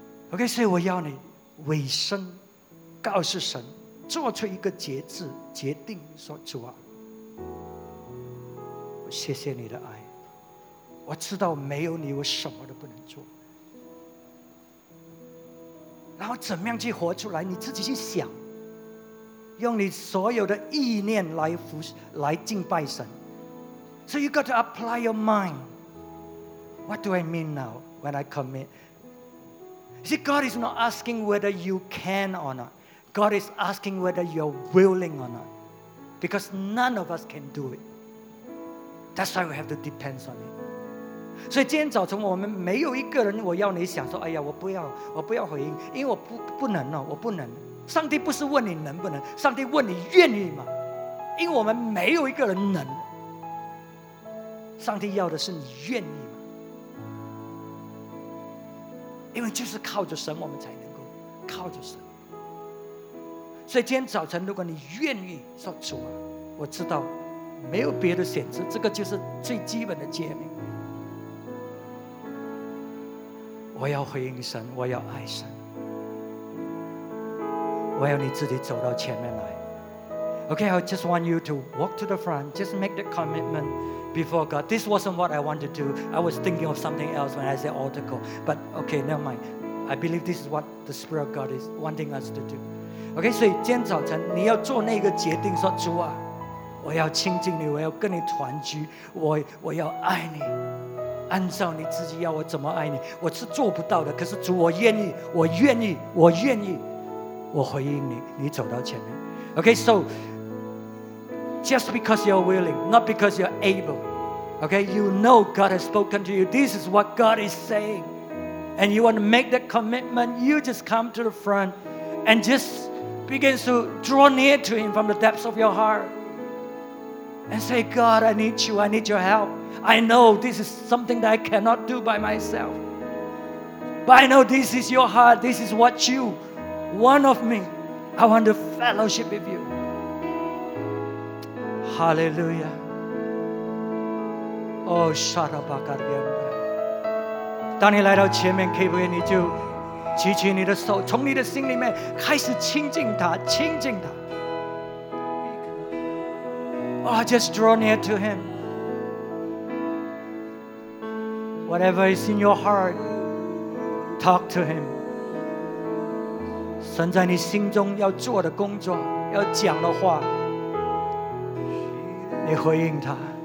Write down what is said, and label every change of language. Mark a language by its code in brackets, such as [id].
[zh] OK，所以我要你委身告诉神，做出一个决定，说主啊，谢谢你的爱， 我知道没有你，我什么都不能做。然后怎么样去活出来？你自己去想，用你所有的意念来敬拜神。 [en] So you got to apply your mind. What do I mean now when I commit? See, God is not asking whether you can or not. God is asking whether you're willing or not. Because none of us can do it. That's why we have to depend on Him. [zh] 所以今天早晨我们没有一个人我要你想说哎呀我不要我不要回应，因为我 不能、哦、我不能。上帝不是问你能不能，上帝问你愿意吗？因为我们没有一个人能，上帝要的是你愿意吗？因为就是靠着神我们才能够靠着神。所以今天早晨如果你愿意说主啊，我知道没有别的选择，这个就是最基本的诫命，我要回应神，我要爱神，我要你自己走到前面来。 [en] OK, I just want you to walk to the front, just make the commitment before God. This wasn't what I wanted to do. I was thinking of something else when I said altar call, but OK, never mind. I believe this is what the Spirit of God is wanting us to do. [zh] OK, 所以今天早晨你要做那个决定，说主啊，我要亲近你，我要跟你团聚， 我要爱你，按照你自己要我怎么爱你，我是做不到的，可是主我愿意，我愿意，我愿意，我回应你，你走到前面。 [en] OK, so just because you're willing, not because you're able. OK, you know God has spoken to you, this is what God is saying, and you want to make that commitment, you just come to the front and just begin to draw near to him from the depths of your heart and say, God, I need you, I need your help. I know this is something that I cannot do by myself, but I know this is your heart, this is what you want of me. I want to fellowship with you. Hallelujah. Oh, shut up, God. [zh] 当你来到前面，可不可以你就举起你的手，从你的心里面开始亲近他，亲近他。 [en] Oh, just draw near to him. Whatever is in your heart, talk to him. [zh] 神在你心中要做的工作，要讲的话，你回应他。